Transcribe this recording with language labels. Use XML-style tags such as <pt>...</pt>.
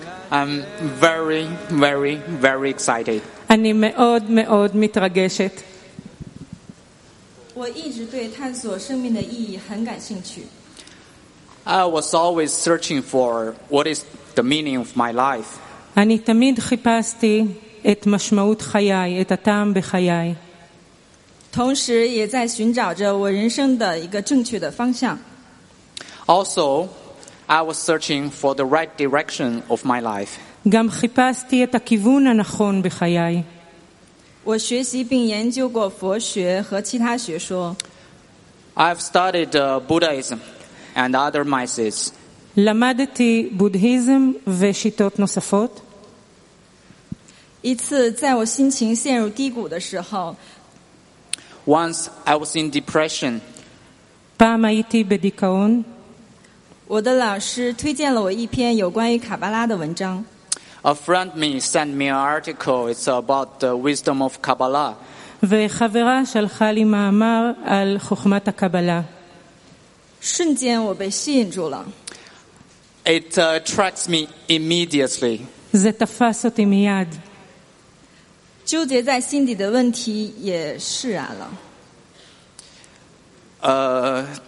<en>I'm very, very, very excited.</en> <he>אני מאוד מאוד מתרגשת.</he> <zh>我一直对探索生命的意义很感兴趣。</zh> <en>I was always searching for what is the meaning of my life.</en> <he>אני תמיד חיפשתי את משמעות חיי, את הטעם בחיי.</he> <zh>同时也在寻找着我人生的一个正确的方向。</zh> <en>Also, I was searching for the right direction of my life.</en> <he>גם חיפשתי את הכיוון הנכון בחיי.</he> <zh>我学习并研究过佛学和其他学说。</zh> <en>I've studied Buddhism and other mysteries.</en> <he>למדתי בודהיזם ושיטות נוספות.</he> <zh>一次在我心情陷入低谷的时候。</zh> <en>Once I was in depression.</en> <he>פעם הייתי בדיכאון.</he> <zh>我的老师推荐了我一篇有关于卡巴拉的文章。</zh> <en>A friend sent me an article. It's about the wisdom of Kabbalah.</en> <he>וחברה שלחה לי מאמר על חוכמת הקבלה.</he> <zh>瞬间我被吸引住了。</zh> <en>It attracts me immediately.</en> <zh>这</zh> <he>תפס אותי מיד.</he> <zh>纠结在心底的问题也释然了。</zh>